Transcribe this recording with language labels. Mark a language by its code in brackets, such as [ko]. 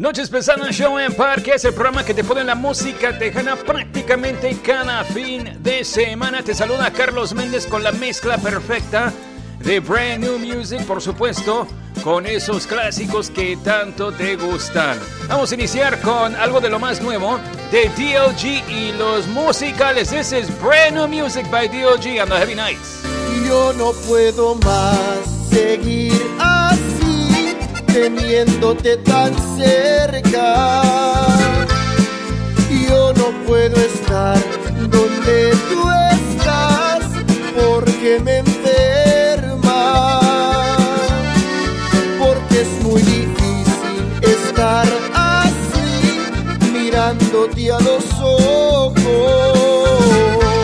[es] Noches Pesadas Show en Parque es el programa que te pone la música tejana prácticamente cada fin de semana. Te saluda Carlos Méndez con la mezcla perfecta de Brand New Music, por supuesto, con esos clásicos que tanto te gustan. Vamos a iniciar con algo de lo más nuevo de DLG y los musicales. [en] This is Brand New Music by DLG on the Heavy Nights. [es] Yo no puedo más seguir así, teniéndote tan cerca. Yo no puedo estar donde tú estás, porque me enferma, porque es muy difícil estar así, mirándote a los ojos.